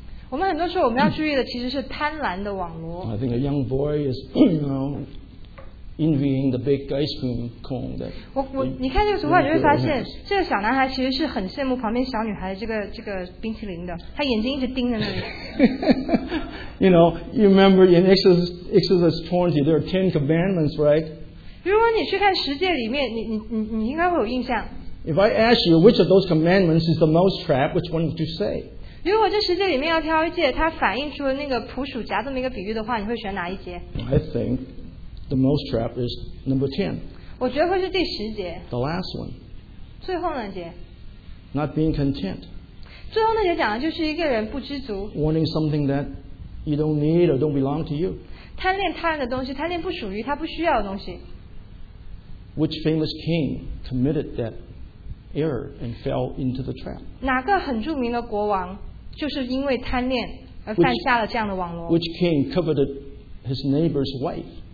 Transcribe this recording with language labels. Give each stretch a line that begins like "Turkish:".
Chinese: 我们很多时候我们要注意的其实是贪婪的网络。
English: I think a young boy is, you know, envying the big ice cream cone. That
Chinese: 我你看这个图画，你会发现这个小男孩其实是很羡慕旁边小女孩这个冰淇淋的，他眼睛一直盯着那里。
English: You know, you remember in Exodus 20, there are 10 commandments, right?
Chinese: 如果你去看十诫里面，你应该会有印象。
English: If I ask you which of those commandments is the mouse trap, which one would you say?
Chinese: 如果这十诫里面要挑一诫，它反映出了那个捕鼠夹这么一个比喻的话，你会选哪一节
English: I think the mouse trap is number 10.
Chinese: 我觉得会是第十节。
English: The last one.
Chinese: 最后那节。
English: Not being content.
Chinese: 最后那节讲的就是一个人不知足。
English: Wanting something that you don't need or don't belong to you.
Chinese: 贪恋他人的东西，贪恋不属于他不需要的东西。
English: Which famous king committed that? Error and fell into the trap.
Chinese: 哪个很著名的国王就是因为贪恋而犯下了这样的网罗
English: which king coveted his neighbor's wife?